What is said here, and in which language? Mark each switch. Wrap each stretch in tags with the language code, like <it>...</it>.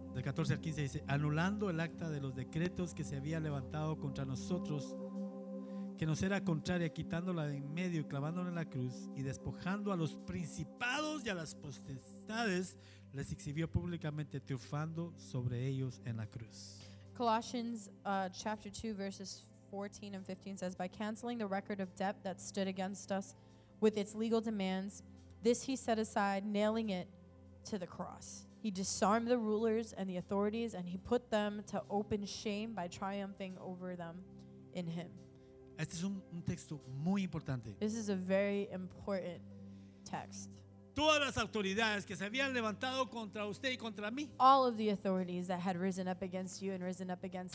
<es>Del 14 al 15 dice, anulando el acta de los decretos que se había levantado contra nosotros, que nos era contraria, quitándola de en medio y clavándola en la cruz, y despojando a los principados y a las potestades, les exhibió públicamente, triunfando sobre ellos en la cruz.</es> <en>Colossians chapter 2 verses 14 and 15 says, by canceling the record of debt that stood against us with its legal demands, this he set aside, nailing it to the cross. He disarmed the rulers and the authorities, and he put them to open shame by triumphing over them in him.</en> <es>Este es un texto muy importante.</es> <en>This is a very important text.</en> <es>Todas las autoridades que se habían levantado contra usted y contra mí.</es> <en>All of the authorities that had risen up against you and risen up against</en>